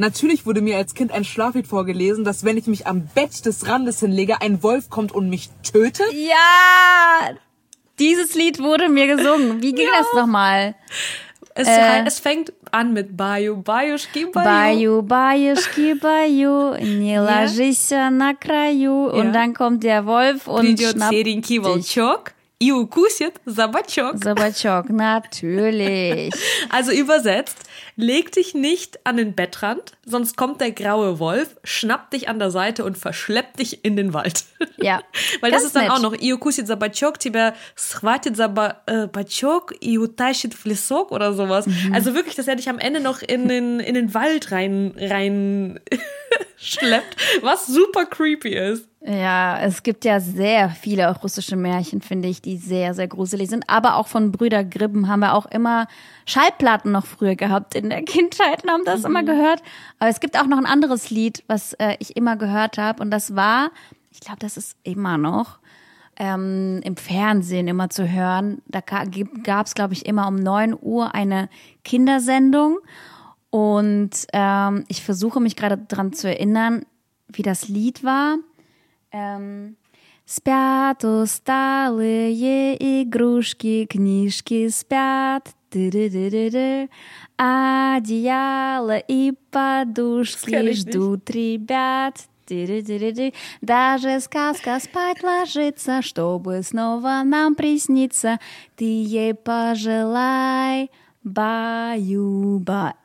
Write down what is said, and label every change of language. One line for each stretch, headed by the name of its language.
German: Natürlich wurde mir als Kind ein Schlaflied vorgelesen, dass wenn ich mich am Bett des Randes hinlege, ein Wolf kommt und mich tötet. Ja, dieses Lied wurde mir gesungen. Wie ging das nochmal? Es fängt an mit
Russian: Баю, баюшки, баю. Баю, баюшки, баю, не ложися на краю.
German: Und dann kommt der Wolf und
Russian: придет
German: schnappt
Russian: серенький волчок и укусит за бочок. За бочок,
German: natürlich. Also übersetzt, leg dich nicht an den Bettrand, sonst kommt der graue Wolf, schnappt dich an der Seite und verschleppt dich in den Wald. Ja, weil das ist dann nett. Auch noch,
Russian: и укусит за бочок, тебя схватит за бочок и утащит в лесок
German: oder sowas. Mhm. Also wirklich, dass er dich am Ende noch in den Wald rein schleppt, was super creepy ist. Ja, es gibt ja sehr viele russische Märchen, finde ich, die sehr, sehr gruselig sind. Aber auch von Brüder Grimm haben wir auch immer Schallplatten noch früher gehabt in der Kindheit und haben das immer gehört. Aber es gibt auch noch ein anderes Lied, was ich immer gehört habe. Und das war, ich glaube, das ist immer noch im Fernsehen immer zu hören. Da gab es, glaube ich, immer um 9 Uhr eine Kindersendung. Und ich versuche mich gerade daran zu erinnern, wie das Lied war.
Russian: Спят усталые игрушки, книжки спят, ды-ды-ды-ды-ды. Одеяло и подушки ждут ребят, ды-ды-ды-ды-ды. Даже сказка спать ложится, чтобы снова нам присниться, ты ей пожелай, баю-баю.